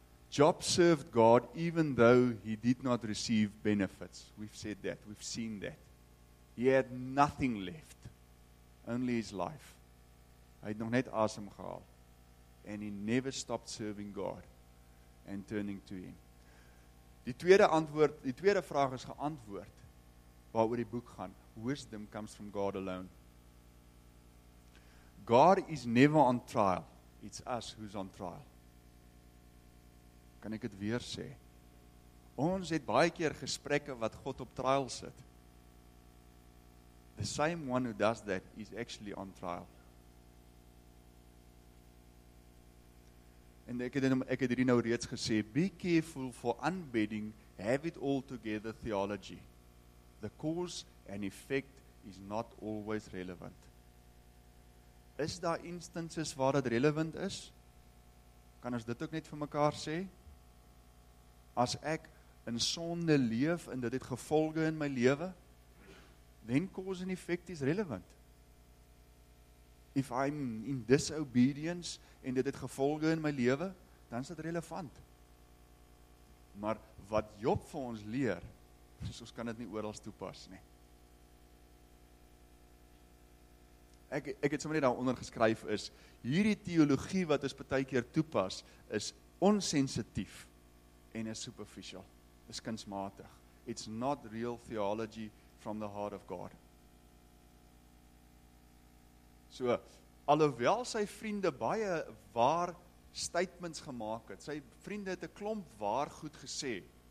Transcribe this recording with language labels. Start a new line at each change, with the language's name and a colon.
English: Job served God even though he did not receive benefits. We've said that. We've seen that. He had nothing left. Only his life.
Afrikaans: Hy het nog net asem gehaal.
English: And he never stopped serving God and turning to him.
Afrikaans: Die tweede vraag is geantwoord waaroor die boek gaan.
English: Wisdom comes from God alone. God is never on trial. It's us who's on trial.
Afrikaans: Kan ek het weer sê? Ons het baie keer gesprekke wat God op trial sit.
English: The same one who does that is actually on trial.
Afrikaans: En ek het hierdie nou reeds gesê,
English: be careful for unbedding, have it all together theology. The cause and effect is not always relevant.
Afrikaans: Is daar instances waar dit relevant is? Kan ons dit ook net vir mekaar sê? As ek in sonde leef en dit het gevolge in my lewe,
English: then cause and effect is relevant. If I'm in disobedience
Afrikaans: en dit het gevolge in my lewe, dan is dit relevant. Maar wat Job vir ons leer, is ons kan dit nie oral toepas nie. Ek het sommer net daaronder geskryf is, hierdie teologie wat ons baie keer toepas, is onsensitief en is superficial. Is kunsmatig.
English: It's not real theology from the heart of God.
Afrikaans: So, alhoewel sy vriende baie waar statements gemaak het, sy vriende het 'n klomp waar goed gesê.